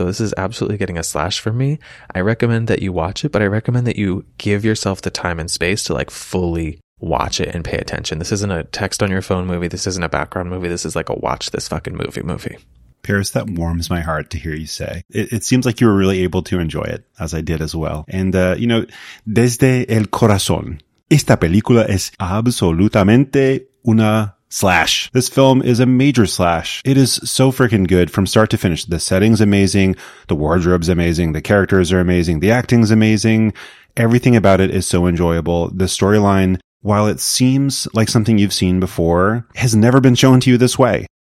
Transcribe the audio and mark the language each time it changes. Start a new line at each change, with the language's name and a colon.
English: So this is absolutely getting a slash from me. I recommend that you watch it, but I recommend that you give yourself the time and space to like fully watch it and pay attention. This isn't a text on your phone movie. This isn't a background movie. This is like a watch this fucking movie. Paris, that warms my heart to hear you say. It seems like you were really able to enjoy it, as I did as well. And, you know,
Spanish: desde el corazón, esta película es absolutamente una slash.
English: This film is a major slash. It is so freaking good from start to finish. The setting's amazing. The wardrobe's amazing. The characters are amazing. The acting's amazing. Everything about it is so enjoyable. The storyline, while it seems like something you've seen before, has never been shown to you this way.